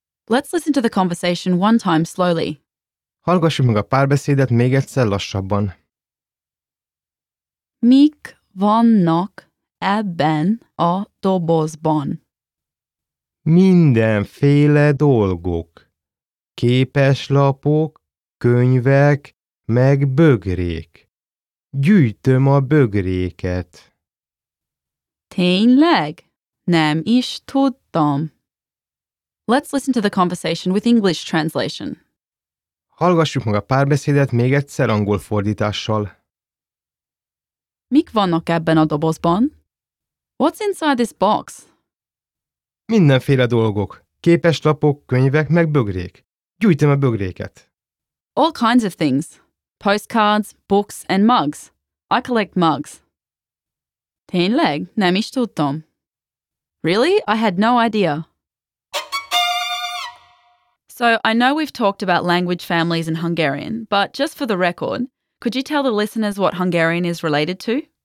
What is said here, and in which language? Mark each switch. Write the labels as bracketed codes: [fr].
[en] Let's listen to the conversation one time slowly. [hu] Hallgassuk meg a párbeszédet még egyszer lassabban. Mik vannak ebben a dobozban? Mindenféle dolgok. Képeslapok, könyvek, meg bögrék. Gyűjtöm a bögréket. Tényleg? Nem is tudtam. [en] Let's listen to the conversation with English translation. [hu] Hallgassuk meg a párbeszédet még egyszer angol fordítással. Mik vannak ebben a dobozban? [en] What's inside this box? [hu] Mindenféle dolgok. Képeslapok, könyvek, meg bögrék. Gyűjtöm a bögréket. [en] All kinds of things. Postcards, books and mugs. I collect mugs. [hu] Tényleg? Nem is tudtam. [en] Really? I had no idea. So, I know we've talked about language families in Hungarian, but just for the record, could you tell the listeners what Hungarian is related to?